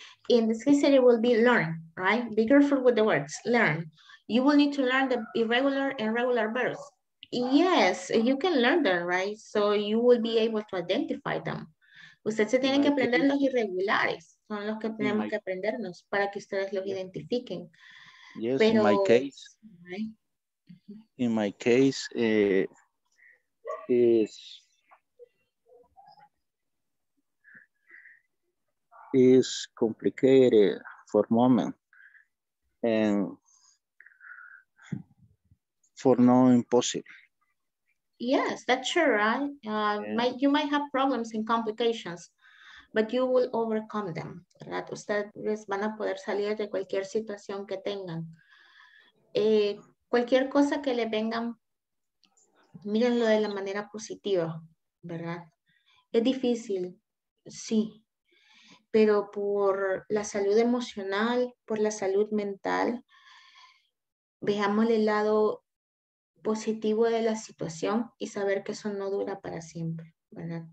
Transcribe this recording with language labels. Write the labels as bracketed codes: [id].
[en] In this case, it will be learn, right? Be careful with the words, learn. You will need to learn the irregular and regular verbs. Yes, you can learn them, right? So you will be able to identify them. [es] Usted se tiene que aprender los irregulares. Son los que tenemos que aprendernos para que ustedes los identifiquen. [en] Yes, pero, in my case. Right? In my case, is complicated for a moment and for now impossible. Yes, that's true, right? You might have problems and complications, but you will overcome them. [es] ¿Verdad? Ustedes van a poder salir de cualquier situación que tengan. Cualquier cosa que le vengan, mírenlo de la manera positiva, ¿verdad? Es difícil, sí. Pero por la salud emocional, por la salud mental, veamos el lado positivo de la situación y saber que eso no dura para siempre, ¿verdad?